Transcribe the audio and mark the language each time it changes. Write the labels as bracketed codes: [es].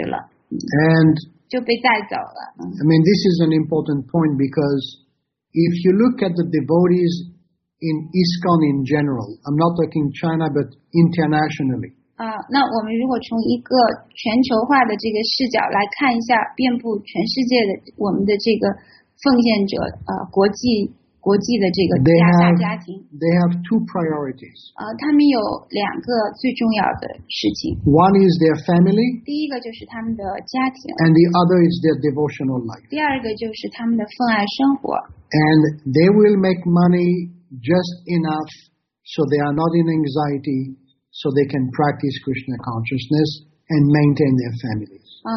[zh] 那就是说，如果这个人他不仅仅是从物质的方面，还是从灵性的方面，他都是不够成熟的，也是经验不足的。那他有这样的一种生活方式的话，很容易就被裹挟进去了，就被带走了。 [en] I mean, this is an important point because if you look at the devotees in ISKCON in general, I'm not talking China, but internationally. [zh] 那我们如果从一个全球化的这个视角来看一下，遍布全世界的我们的这个奉献者，国际的这个大家庭。 [en] They have two priorities. [zh] 他们有两个最重要的事情。 [en] One is their family. [zh] 第一个就是他们的家庭。 [en] And the other is their devotional life. [zh] 第二个就是他们的奉爱生活。 [en] And they will make money just enough so they are not in anxiety, so they can practice Krishna consciousness and maintain their families.